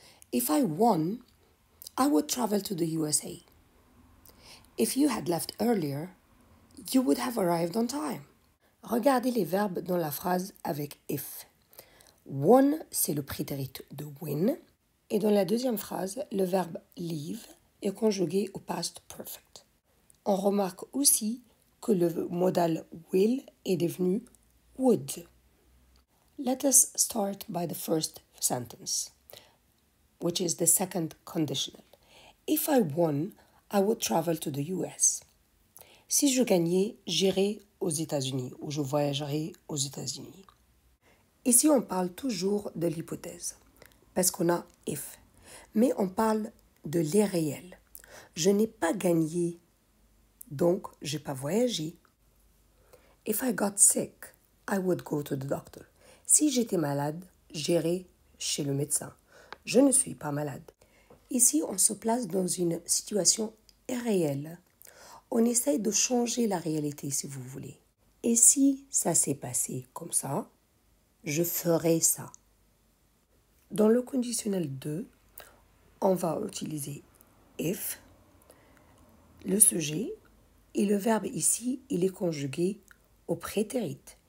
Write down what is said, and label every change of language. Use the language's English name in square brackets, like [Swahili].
[English] If I won, I would travel to the USA. If you had left earlier, you would have arrived on time. [French] Regardez les verbes dans la phrase avec if. Won, c'est le prétérit de win. Et dans la deuxième phrase, le verbe leave est conjugué au past perfect. On remarque aussi que le modal will est devenu would. [English] Let us start by the first sentence, which is the second conditional. If I won, I would travel to the US. [French] Si je gagnais, j'irai aux États-Unis ou je voyagerai aux États-Unis. Ici, on parle toujours de l'hypothèse parce qu'on a if. Mais on parle de l'irréel. Je n'ai pas gagné, donc je n'ai pas voyagé. [English] If I got sick, I would go to the doctor. [French] Si j'étais malade, j'irai chez le médecin. Je ne suis pas malade. Ici, on se place dans une situation irréelle. On essaye de changer la réalité, si vous voulez. Et si ça s'est passé comme ça, je ferai ça. Dans le conditionnel 2, on va utiliser if, le sujet, et le verbe ici, il est conjugué au prétérit.